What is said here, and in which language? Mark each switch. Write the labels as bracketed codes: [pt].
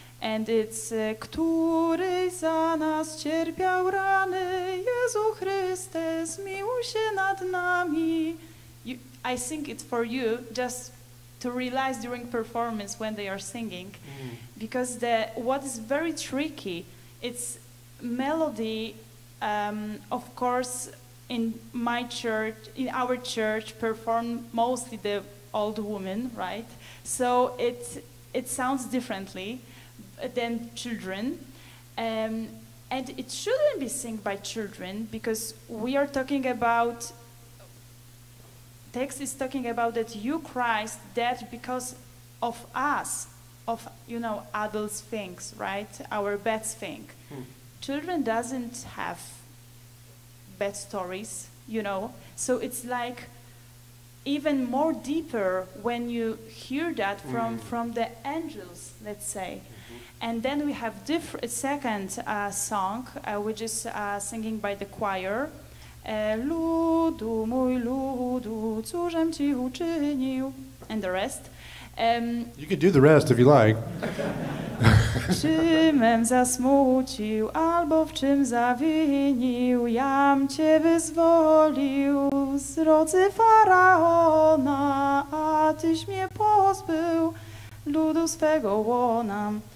[en] And it's [pl] który za nas cierpiał rany, Jezu Chryste, zmiłuj się nad nami. [en] I sing it for you just to realize during performance when they are singing, because what is very tricky, it's melody. Of course, in my church, in our church, perform mostly the old woman, right? So it sounds differently than children, and it shouldn't be sung by children, because we are talking about, text is talking about that you Christ dead because of us, of, you know, adults things, right? Our bad thing. Children doesn't have bad stories, you know? So it's like even more deeper when you hear that from the angels, let's say. And then we have second song, which is singing by the choir. [pl] Ludu, mój ludu, cóżem ci uczynił? [en] And the rest. You could do the rest if you like. [pl] Czymem zasmucił, albo w czym zawinił, jam cię wyzwolił z rocy Faraona, a tyś mnie pozbył ludu swego łona.